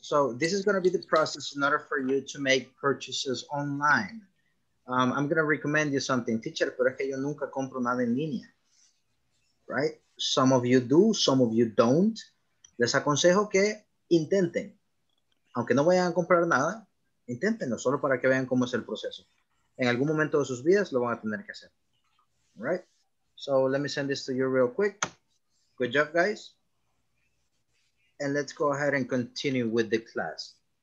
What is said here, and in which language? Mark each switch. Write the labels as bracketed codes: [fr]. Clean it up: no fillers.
[en] So this is going to be the process in order for you to make purchases online. I'm going to recommend you something. [es] Teacher, pero es que yo nunca compro nada en línea. [en] Right? Some of you do, some of you don't. [es] Les aconsejo que intenten, aunque no vayan a comprar nada, inténtenlo solo para que vean cómo es el proceso. En algún momento de sus vidas lo van a tener que hacer. [en] All right? So let me send this to you real quick. Good job, guys. And let's go ahead and continue with the class.